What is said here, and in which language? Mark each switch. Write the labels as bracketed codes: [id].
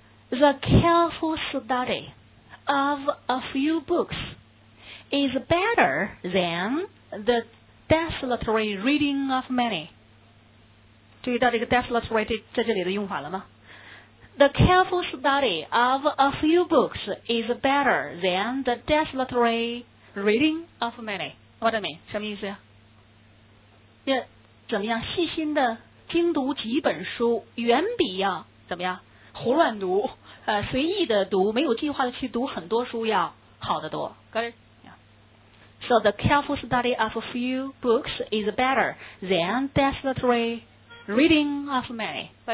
[en] The careful study of a few books is better than the desultory reading of many. [zh] 注意到这个 desultory 在这里的用法了吗？ [en] The careful study of a few books is better than the desultory reading of many. What do I mean? [zh] 什么意思呀？怎么样？细心的精读几本书远比要怎么样胡乱读随意的读没有计划的去读很多书要好得多。 [en] So the careful study of a few books is better than desultory reading of many.